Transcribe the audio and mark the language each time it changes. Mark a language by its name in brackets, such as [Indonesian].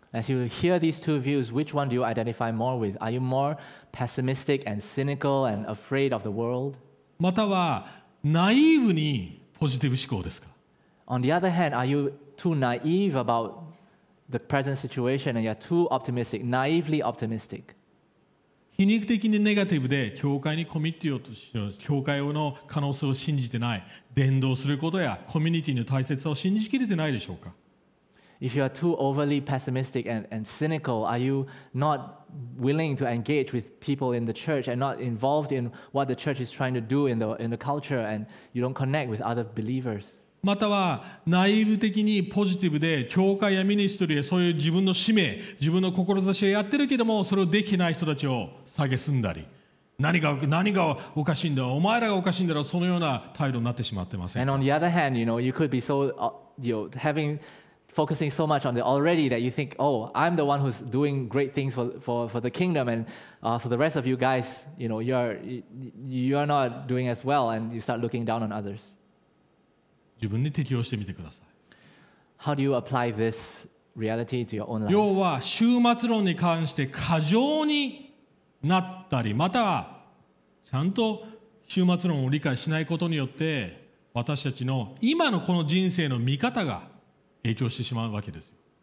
[English] As you hear these two views, which one do you identify more with? Are you more pessimistic and cynical and afraid of the world? [Japanese] またはナイーブにポジティブ思考ですか。 [English] On the other hand, are you too naive about the present situation and you're too optimistic, naively optimistic? [Japanese] 皮肉的にネガティブで教会にコミットをして教会の可能性を信じてない、伝道することやコミュニティの大切さを信じきれてないでしょうか。 [English] If you are too overly pessimistic and cynical, are you not willing to engage with people in the church and not involved in what the church is trying to do in the culture and you don't connect with other believers? [Japanese] または、ナイーブ的にポジティブで、教会やミニストリーやそういう自分の使命、自分の志をやってるけども、それをできない人たちを蔑んだり。何がおかしいんだ、お前らがおかしいんだろう、そのような態度になってしまってません。 [English] And on the other hand, you know, you could be so, you know, having focusing so much on the already that you think, oh, I'm the one who's doing great things for the kingdom, and for the rest of you guys, you know, you are not doing as well, and you start looking down on others. [Japanese] 自分に適応してみてください。 [English] How do you apply this reality to your own life? [Japanese] 要は終末論に関して過剰になったり、またはちゃんと終末論を理解しないことによって私たちの今のこの人生の見方が影響してしまうわけですよ。